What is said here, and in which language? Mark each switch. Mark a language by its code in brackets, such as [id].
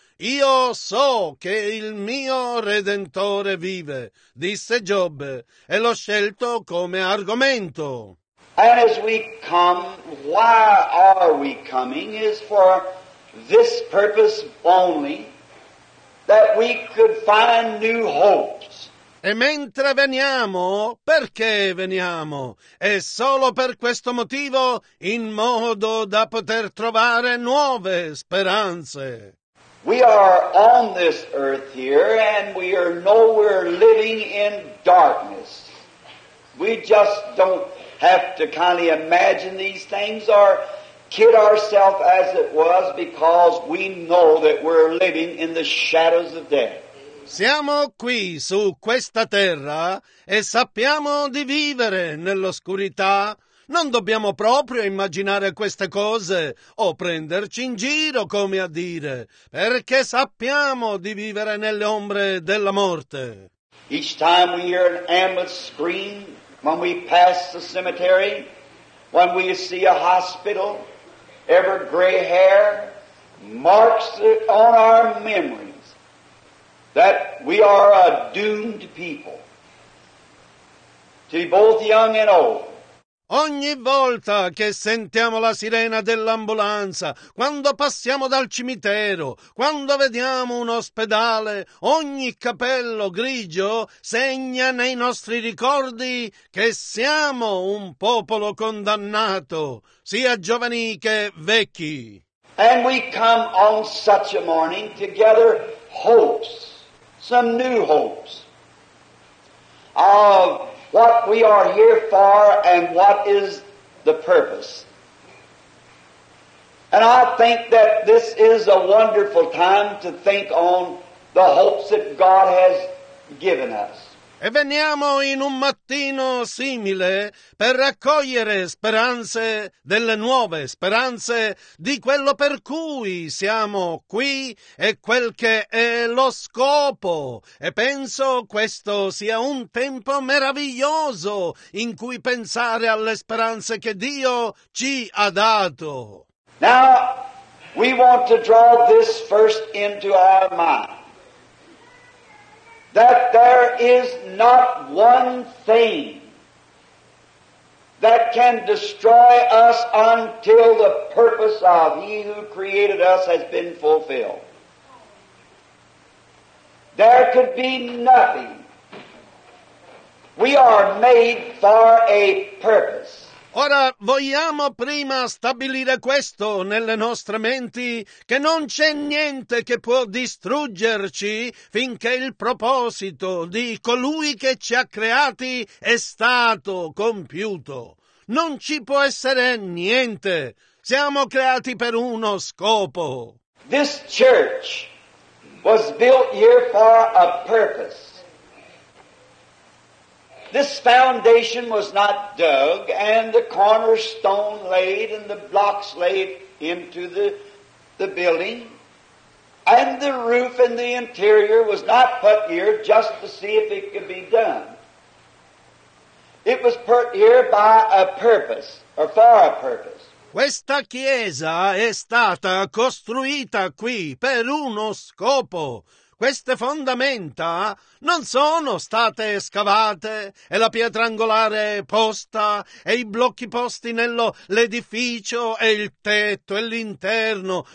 [it] Io so che il mio Redentore vive, disse Giobbe, e l'ho scelto come argomento. [en] And as we come, why are we coming? Is for this purpose only, that we could find new hopes. [it] E mentre veniamo, perché veniamo? È solo per questo motivo, in modo da poter trovare nuove speranze. [en] We are on this earth here, and we are nowhere living in darkness. We just don't have to kindly imagine these things or kid ourselves as it was, because we know that we're living in the shadows of death. [it] Siamo qui su questa terra e sappiamo di vivere nell'oscurità. Non dobbiamo proprio immaginare queste cose o prenderci in giro, come a dire, perché sappiamo di vivere nelle ombre della morte. [en] Each time we hear an ambulance scream, when we pass the cemetery, when we see a hospital, every gray hair marks it on our memories that we are a doomed people, to be both young and old. [it] Ogni volta che sentiamo la sirena dell'ambulanza, quando passiamo dal cimitero, quando vediamo un ospedale, ogni capello grigio segna nei nostri ricordi che siamo un popolo condannato, sia giovani che vecchi. [en] And we come on such a morning together, hopes, some new hopes of what we are here for and what is the purpose And I think that this is a wonderful time to think on the hopes that God has given us. [it] E veniamo in un mattino simile per raccogliere speranze, delle nuove speranze di quello per cui siamo qui e quel che è lo scopo. E penso questo sia un tempo meraviglioso in cui pensare alle speranze che Dio ci ha dato. [en] Now, we want to draw this first into our mind. That there is not one thing that can destroy us until the purpose of He who created us has been fulfilled. There could be nothing. We are made for a purpose. [it] Ora vogliamo prima stabilire questo nelle nostre menti, che non c'è niente che può distruggerci finché il proposito di colui che ci ha creati è stato compiuto. Non ci può essere niente. Siamo creati per uno scopo. [en] This church was built here for a purpose. This foundation was not dug, and the cornerstone laid, and the blocks laid into the building, and the roof and the interior was not put here just to see if it could be done. It was put here by a purpose, or for a purpose. [it] Questa chiesa è stata costruita qui per uno scopo. Queste fondamenta non sono state scavate e la pietra angolare posta e i blocchi posti nell'edificio e il tetto e l'interno.